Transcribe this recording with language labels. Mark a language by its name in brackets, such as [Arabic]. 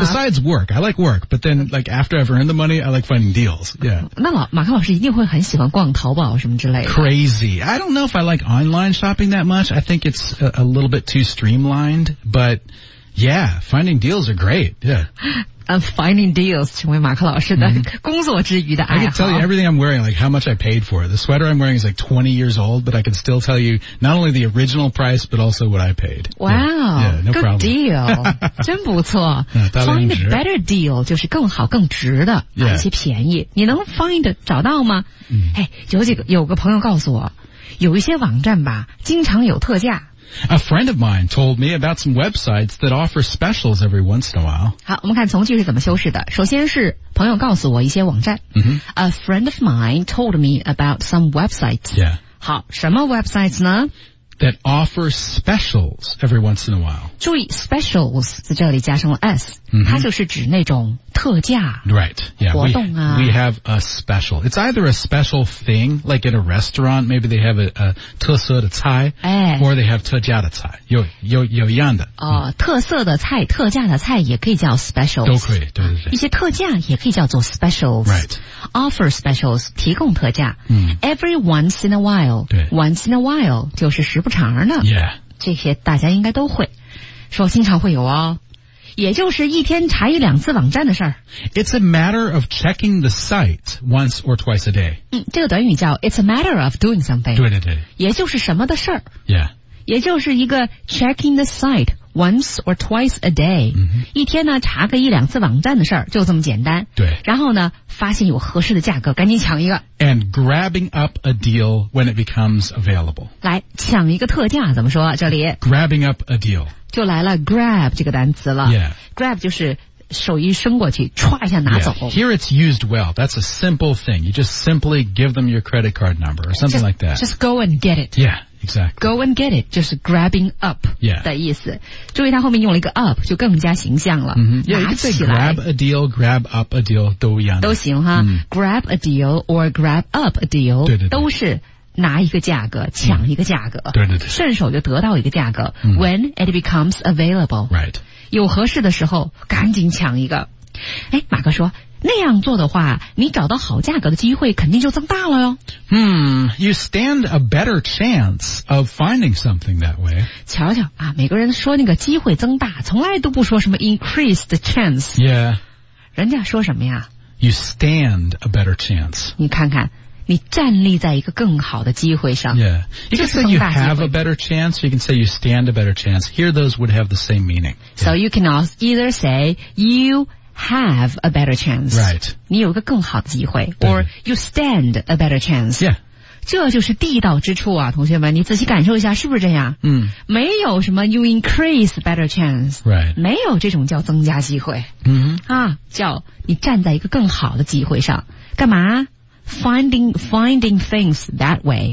[English] ？Besides work, I like work, but then like after I've earned the money, I like finding deals. Yeah. [Chinese] 那马克老师一定会很喜欢逛淘宝什么之类的。 [English] Crazy. I don't know if I like online shopping that much. I think it's a little bit too streamlined, but. Yeah, finding deals are great, yeah. Finding deals [Chinese] 成为马克老师的工作之余的爱好。 [English] I can tell you everything I'm wearing, like how much I paid for. The sweater I'm wearing is like 20 years old, but I can still tell you not only the original price, but also what I paid. Wow, yeah, yeah, no good problem. [Chinese] Deal. 真不错。 [English] Find a better deal [Chinese] 就是更好更值的、 [English] yeah. [Chinese] 而且便宜。你能 find 找到吗、嗯、 hey, 有个朋友告诉我有一些网站吧经常有特价。 [English] A friend of mine told me about some websites that offer specials every once in a while. [Chinese] 好，我们看从句是怎么修饰的。首先是朋友告诉我一些网站。 [English] Mm-hmm. A friend of mine told me about some websites. Yeah. [Chinese] 好，什么 websites 呢？ [English] That offer specials every once in a while. [Chinese] 注意 specials 在这里加上了 s，、 [English] mm-hmm. [Chinese] 它就是指那种特价、 [English] right. yeah. [Chinese] 活动啊。 [English] We have a special. It's either a special thing, like in a restaurant, maybe they have a [Chinese] 特色的菜、哎、 [English] or they have [Chinese] 特价的菜，有一样的。哦、特色的菜、特价的菜也可以叫 specials，都可以，对对对。一些特价也可以叫做 specials， [English] right? Offer specials， [Chinese] 提供特价。嗯、 [English] Every once in a while， [Chinese] 对，once in a while 就是时不常呢。 [English] Yeah， [Chinese] 这些大家应该都会，说经常会有哦。也就是一天查一两次网站的事儿。 [English] It's a matter of checking the site once or twice a day. [Chinese] 嗯，这个短语叫 [English] it's a matter of doing something. [Chinese] 对对对。也就是什么的事儿。 [English] Yeah. [Chinese] 也就是一个 [English] checking the site once or twice a day.、 Mm-hmm. [Chinese] 一天呢查个一两次网站的事儿，就这么简单。对。然后呢，发现有合适的价格，赶紧抢一个。 [English] And grabbing up a deal when it becomes available. [Chinese] 来，抢一个特价怎么说？这里。 [English] Grabbing up a deal. [Chinese] 就来了 grab 这个单词了。 [English] Yeah. [Chinese] Grab 就是手一伸过去，唰一下拿走。 [English] Yeah. Here it's used well. That's a simple thing. You just simply give them your credit card number or something like that. Just go and get it. Yeah, exactly. Go and get it 就是 grabbing up 的意思。 Yeah. [Chinese] 注意它后面用了一个 up 就更加形象了。 [English] Mm-hmm. Yeah, [Chinese] 拿起来。 [English] Grab a deal, grab up a deal 都一样。 [Chinese] 都行哈。 [English] Mm. Grab a deal or grab up a deal [Chinese] 对对对都是拿一个价格抢一个价格、对对对顺手就得到一个价格、 [English] When it becomes available、 right. [Chinese] 有合适的时候赶紧抢一个哎，马哥说那样做的话你找到好价格的机会肯定就增大了哟、 [English] You stand a better chance of finding something that way [Chinese] 瞧瞧啊，每个人说那个机会增大从来都不说什么 [English] increase the chance、 yeah. [Chinese] 人家说什么呀 [English] You stand a better chance [Chinese] 你看看你站立在一个更好的机会上。 [English] Yeah. You can say you have a better chance, you can say you stand a better chance. Here those would have the same meaning. So you can also either say you have a better chance. Right. [Chinese] 你有一个更好的机会 [English] or you stand a better chance. Yeah. [Chinese] 这就是地道之处啊同学们你仔细感受一下是不是这样嗯没有什么 [English] you increase better chance, right, [Chinese] 没有这种叫增加机会嗯啊叫你站在一个更好的机会上干嘛 [English] finding things that way,